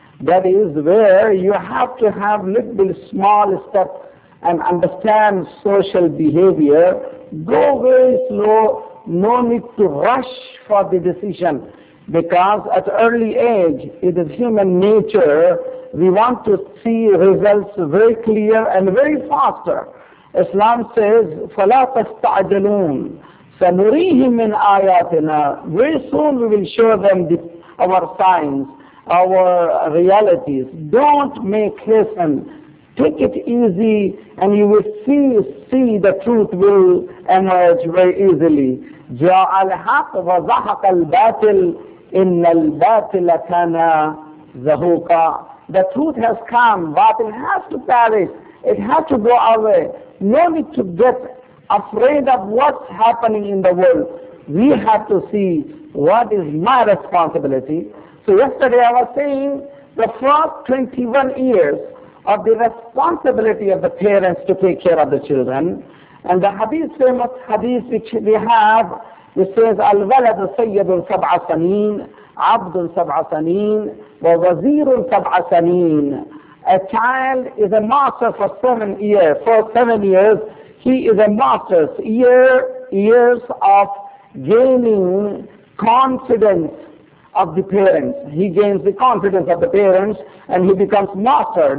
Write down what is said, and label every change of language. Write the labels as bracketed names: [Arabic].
[English] That is where you have to have little small steps and understand social behavior. Go very slow, no need to rush for the decision. Because at early age, it is human nature, we want to see results very clear and very faster. Islam says, [Arabic] فَلَا تَسْتَعْجَلُونَ سَنُرِيهِمْ مِنْ آيَاتِنَا. [English] Very soon we will show them our signs, our realities. Don't make haste. Take it easy and you will see the truth will emerge very easily. [Arabic] جَاءَ الْحَقَّ وَزَحَقَ الْبَاطِلُ إِنَّ الْبَاطِلَ كَانَ زَهُوقًا. [English] The truth has come, but it has to perish. It has to go away. No need to get afraid of what's happening in the world. We have to see what is my responsibility. So yesterday I was saying the first 21 years of the responsibility of the parents to take care of the children. And the hadith, famous hadith which we have, it says, [Arabic] الولد سيد سبع سنين [English] عبد سبع سنين ووزير سبع سنين. A child is a master for 7 years. For 7 years, he is a master. Years of gaining confidence of the parents. He gains the confidence of the parents and he becomes master.